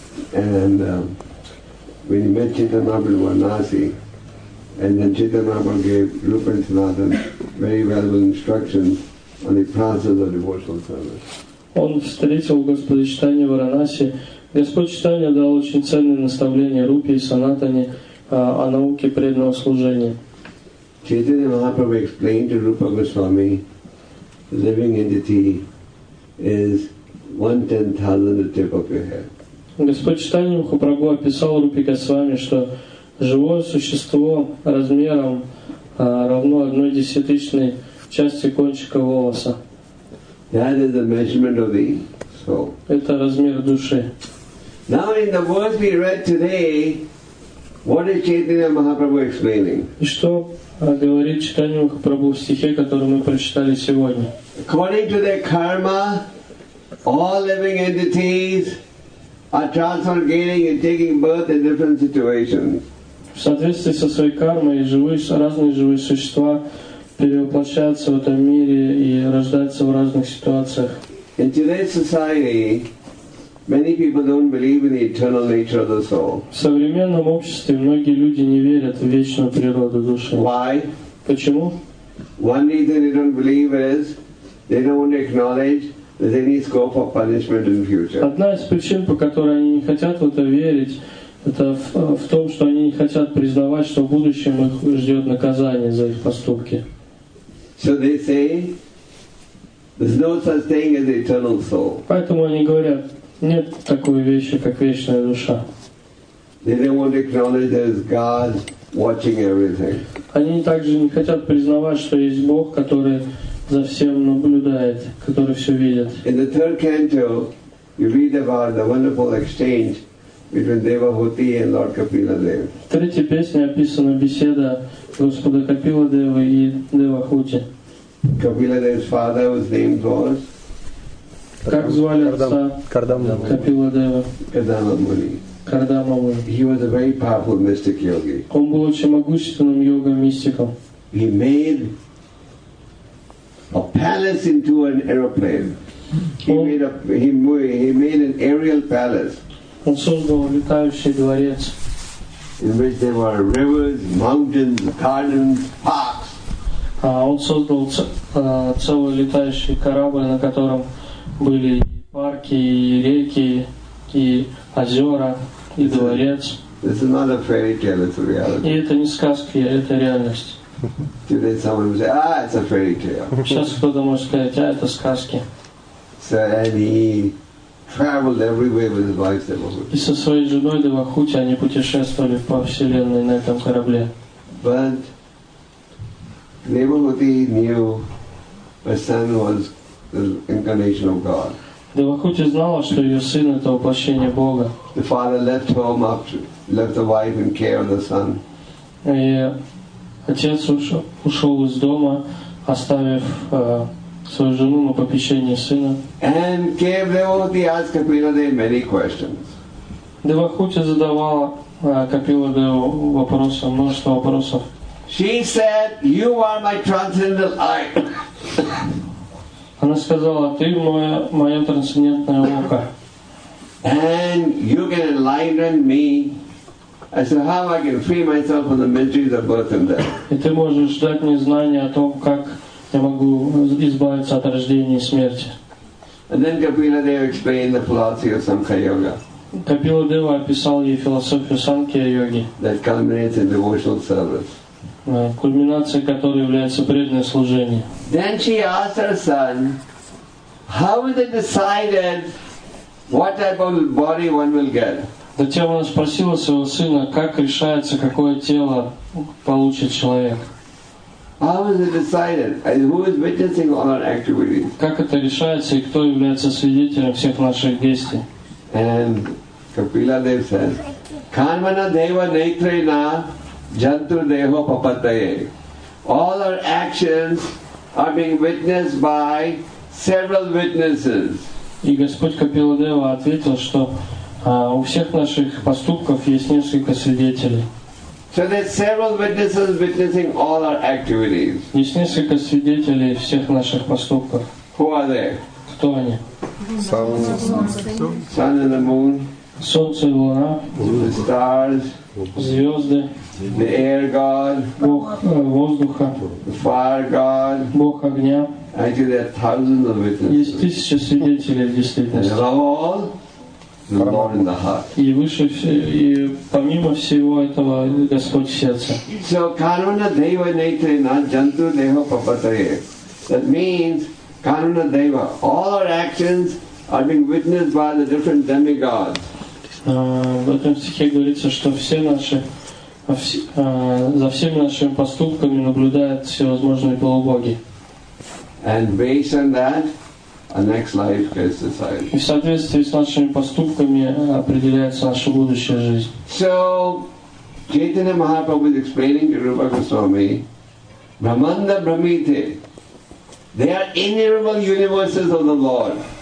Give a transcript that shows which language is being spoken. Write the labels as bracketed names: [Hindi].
[English] When he met Chaitanya Mahaprabhu in Varanasi, and then Chaitanya Mahaprabhu gave Rupa and Sanatana very valuable instructions on the process of devotional service. [Russian] Он встретил Господа Чайтанью в Варанаси. Господь Чайтанья дал очень ценные наставления Рупе и Санатане о науке преданного служения. [English] Chaitanya Mahaprabhu explained to Rupa Goswami, living entity is 1/10,000 the tip of your head. [Russian] Господь Чайтанья Махапрабху описал Рупе Госвами, что живое существо размером равно 1/10 части кончика волоса. [English] That is the measurement of the soul. [Russian] Это размер души. [English] Now in the verse we read today, what is Chaitanya Mahaprabhu explaining? [Russian] И что говорит Чайтанья Махапрабху в стихе, который мы прочитали сегодня? [English] According to their karma, all living entities are transformed, gaining and taking birth in different situations. [Russian] В соответствии со своей кармой разные живые существа перевоплощаются в этом мире и рождаются в разных ситуациях. [English] In today's society, many people don't believe in the eternal nature of the soul. [Russian] В современном обществе многие люди не верят в вечную природу души. [English] Why? [Russian] Почему? [English] One reason they don't believe is they don't want to acknowledge there's any scope of punishment in the future. [Russian] Одна из причин, по которой они не хотят в это верить, это в том, что они не хотят признавать, что в будущем их ждет наказание за их поступки. [English] So they say, there's no such thing as eternal soul. [Russian] Поэтому они говорят, нет такой вещи, как вечная душа. [English] They don't want to acknowledge there's God watching everything. [Russian] Они также не хотят признавать, что есть Бог, который за всем наблюдает, который все видит. [English] In the third canto, you read about the wonderful exchange between Devahuti and Lord Kapila Dev. [Russian] В третьей песне описана беседа Господа Капила Девы и Девахути. [English] Kapila Dev's father, whose name was? [Russian] Как звали отца Кардама Капила Девы? Кардама Муни. Кардама Муни. [English] He was a very powerful mystic yogi. [Russian] Он был очень могущественным йога-мистиком. [English] He made a palace into an aeroplane. He made an aerial palace. [Russian] Он создал летающий дворец. [English] In which there were rivers, mountains, gardens, parks. [Russian] Он создал целый летающий корабль, на котором были и парки, и реки, и озера, и дворец. [English] This is not a fairy tale, it's a reality. [Russian] И это не сказки, это реальность. [English] Today someone will say, ah, it's a fairy tale. [Russian] Сейчас кто-то может сказать, а, это сказки. [English] So, and he traveled everywhere with his wife, Devahuti. [Russian] И со своей женой Девахути они путешествовали по вселенной на этом корабле. [English] But Devahuti knew her son was the incarnation of God. [Russian] Девахути знала, что ее сын это воплощение Бога. [English] The father left home after, left the wife in care of the son. [Russian] И отец ушел из дома, оставив свою жену на попечение сына. [English] And gave Devahuti asked Kapiladev many questions. [Russian] Девахути задавала Капиладеву вопросы, множество вопросов. [English] She said, "You are my transcendental eye." [Russian] Она сказала, ты мое трансцендентное око. [English] And you can enlighten me. I said, how I can free myself from the miseries of birth and death. [Russian] И ты можешь дать мне знание о том, как я могу избавиться от рождения и смерти. [English] And then Kapiladeva explained the philosophy of Samkhya Yoga. [Russian] Капиладева описал ей философию Самкхья Йоги. [English] That culminates in devotional service. [Russian] Кульминация которой является преданное служение. [English] Then she asked her son, how is it decided what type of body one will get? [Russian] Затем она спросила своего сына, как решается, какое тело получит человек. [English] How is it decided? Who is witnessing all our activities? [Russian] Как это решается и кто является свидетелем всех наших действий? [English] And Kapiladev says, [Sanskrit] Kanmana Deva Netrena Jantur Deho Papataye. [English] All our actions are being witnessed by several witnesses. [Russian] И Господь Капиладева ответил, что у всех наших поступков есть несколько свидетелей. [English] So there are several witnesses witnessing all our activities. [Russian] Есть несколько свидетелей всех наших поступков. [English] Who are they? [Russian] Кто они? [English] Sun and the moon. [Russian] Солнце и луна. [English] The stars. [Russian] Звезды. [English] The air god. [Russian] Бог воздуха. [English] The fire god. [Russian] Бог огня. [English] Actually, there are thousands of witnesses. [Russian] Есть тысяча свидетелей в действительности. [English] Above all, the Lord in the heart. [Russian] И выше и помимо всего этого Господь в сердце. [English] So [Sanskrit] Karuna Deva Netrena Jantu Deho Papataye. [English] That means Karuna Deva. All our actions are being witnessed by the different demigods. [Russian] В этом стихе говорится, что все наши за всеми нашими поступками наблюдают всевозможные полубоги. [English] And based on that, a next life gets decided. [Russian] И в соответствии с нашими поступками определяется наша будущая жизнь. [English] So, Chaitanya Mahaprabhu is explaining to Rupa Goswami, [Sanskrit] Brahmanda Brahmite, [English] they are innumerable universes of the Lord.